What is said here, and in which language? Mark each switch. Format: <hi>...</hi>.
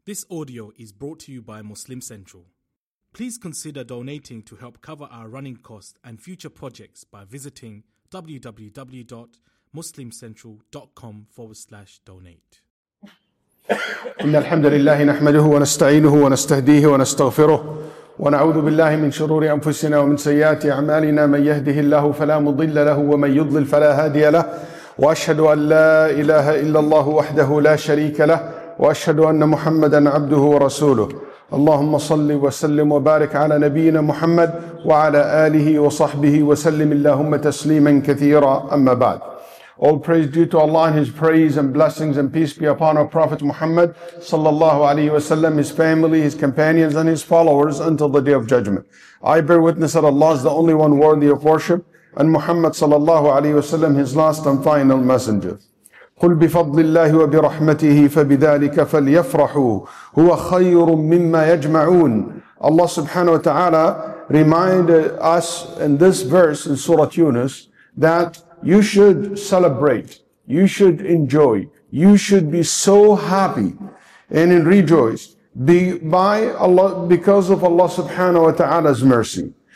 <en>This audio is brought to you by Muslim Central. Please consider donating to help cover our running costs and future projects by visiting www.muslimcentral.com/donate.</en> <ar>إن الحمد لله نحمده ونستعينه ونستهديه ونستغفره ونعوذ بالله من شرور أنفسنا ومن سيئات أعمالنا من يهده الله فلا مضل له ومن يضلل فلا هادي له وأشهد أن لا إله إلا الله وحده لا شريك له وأشهد أن محمدًا عبده ورسوله اللهم صل وسلم وبارك على نبينا محمد وعلى آله وصحبه وسلم اللهم تسليما كثيرا أما بعد.</ar> <en>All praise due to Allah and His praise and blessings and peace be upon our Prophet Muhammad sallallahu alayhi wa sallam, his family, his companions and his followers until the day of judgment. I bear witness that Allah is the only one worthy of worship and Muhammad sallallahu alayhi wa sallam, his last and final messenger.</en> <ar>قل بفضل الله وبرحمته فبذلك فليفرحوا هو خير مما يجمعون.</ar> <en>Allah subhanahu wa ta'ala remind us in this verse in Surah Yunus that you should celebrate, you should enjoy, you should be so happy and rejoice by Allah, because of Allah subhanahu wa ta'ala's mercy.</en>